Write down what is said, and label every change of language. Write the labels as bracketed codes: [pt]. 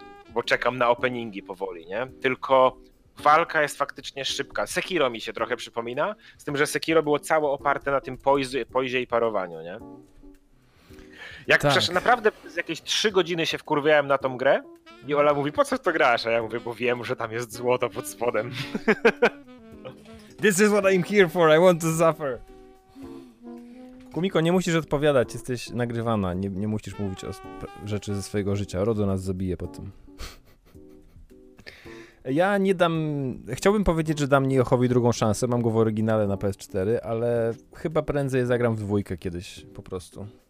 [pl] Bo czekam na openingi powoli, nie? Tylko walka jest faktycznie szybka. Sekiro mi się trochę przypomina, z tym, że Sekiro było całe oparte na tym poizie i parowaniu, nie? Jak tak. Przecież naprawdę z jakieś 3 godziny się wkurwiałem na tą grę i Ola mówi, po co to grasz? A ja mówię, bo wiem, że tam jest złoto pod spodem. [en] This is what I'm here for, I want to suffer. [pl] Kumiko, nie musisz odpowiadać, jesteś nagrywana, nie musisz mówić o rzeczy ze swojego życia. Rodo nas zabije po tym. Ja nie dam... Chciałbym powiedzieć, że dam Niohowi drugą szansę, mam go w oryginale na PS4, ale chyba prędzej zagram w dwójkę kiedyś, po prostu.